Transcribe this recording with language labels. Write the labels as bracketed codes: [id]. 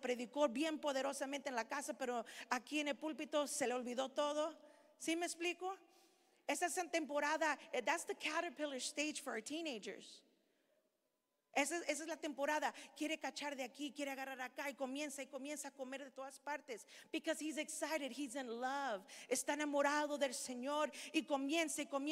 [es] Predicó bien poderosamente en la casa, pero aquí en el púlpito se le olvidó todo. ¿Sí me explico? Esa es la temporada, [en] that's the caterpillar stage for our teenagers. [es] Esa es la temporada, quiere cachar de aquí, quiere agarrar acá y comienza a comer de todas partes. [en] Because he's excited, he's in love. [es] Está enamorado del Señor y comienza.